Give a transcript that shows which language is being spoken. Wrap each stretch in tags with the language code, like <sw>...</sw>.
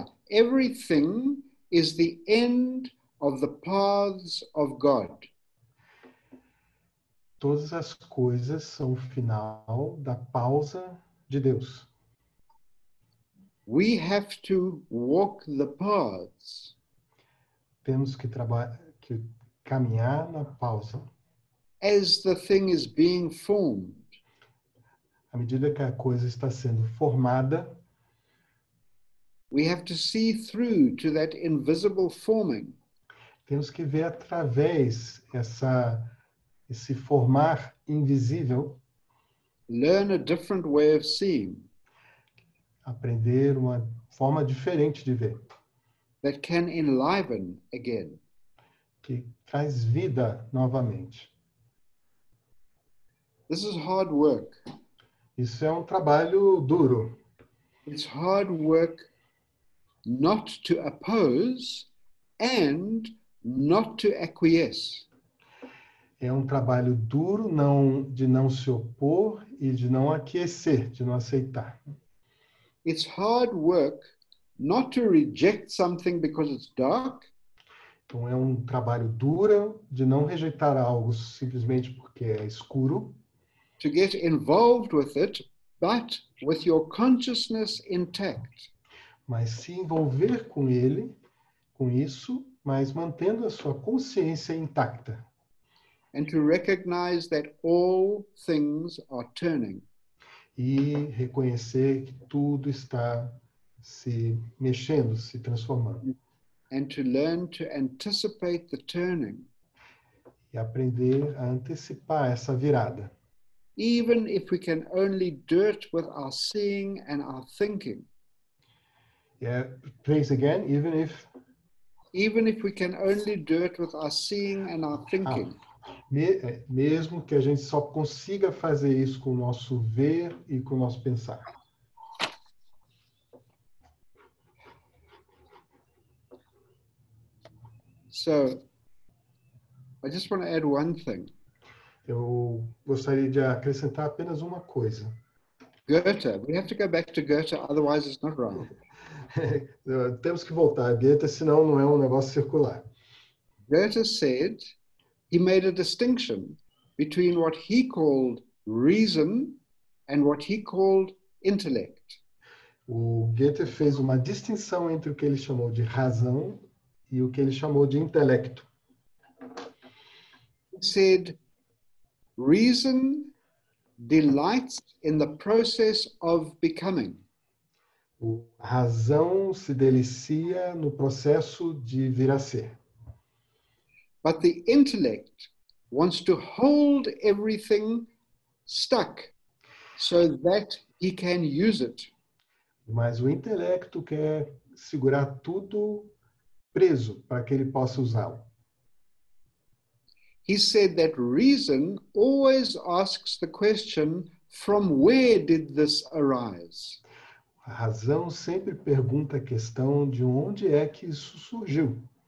<en>Everything is the end of the paths of God.</en> <pt>Todas as coisas são o final da pausa de Deus.</pt> <en>We have to walk the paths.</en> <pt>Temos que caminhar na pausa.</pt> <en>As the thing is being formed.</en> <pt>À medida que a coisa está sendo formada,</pt> <en>we have to see through to that invisible forming.</en> <pt>Temos que ver através esse formar invisível.</pt> <en>Learn a different way of seeing.</en> <pt>Aprender uma forma diferente de ver.</pt> <en>That can enliven again.</en> <pt>Que traz vida novamente.</pt> <en>This is hard work.</en> <pt>Isso é um trabalho duro.</pt> <en>It's hard work not to oppose and not to acquiesce.</en> <pt>É um trabalho duro não, de não se opor e de não aquecer, de não aceitar.</pt> <en>It's hard work not to reject something because it's dark.</en> <pt>Então é um trabalho duro de não rejeitar algo simplesmente porque é escuro.</pt> <en>To get involved with it, but with your consciousness intact.</en> <pt>Mas se envolver com ele, com isso, mas mantendo a sua consciência intacta.</pt> <en>And to recognize that all things are turning.</en> <pt>E reconhecer que tudo está se mexendo, se transformando.</pt> <en>And to learn to anticipate the turning.</en> <pt>E aprender a antecipar essa virada.</pt> <en>Even if we can only do it with our seeing and our thinking. Yeah, please again, even if... Even if we can only do it with our seeing and our thinking.</en> <pt>Mesmo que a gente só consiga fazer isso com o nosso ver e com o nosso pensar.</pt> <en>So, I just want to add one thing.</en> <pt>Eu gostaria de acrescentar apenas uma coisa.</pt> <en>Goethe, we have to go back to Goethe, otherwise it's not wrong.</en> <pt>Temos que voltar a Goethe, senão não é um negócio circular.</pt> <en>Goethe said, he made a distinction between what he called reason and what he called intellect.</en> <pt>O Goethe fez uma distinção entre o que ele chamou de razão e o que ele chamou de intelecto.</pt> <en>He said, reason delights in the process of becoming.</en> <pt>A razão se delicia no processo de vir a ser.</pt> <en>But the intellect wants to hold everything stuck so that he can use it.</en> <pt>Mas o intelecto quer segurar tudo preso para que ele possa usá-lo.</pt> <en>He said that reason always asks the question, from where did this arise?</en> <pt>A razão sempre pergunta a questão de onde é que isso surgiu.</pt>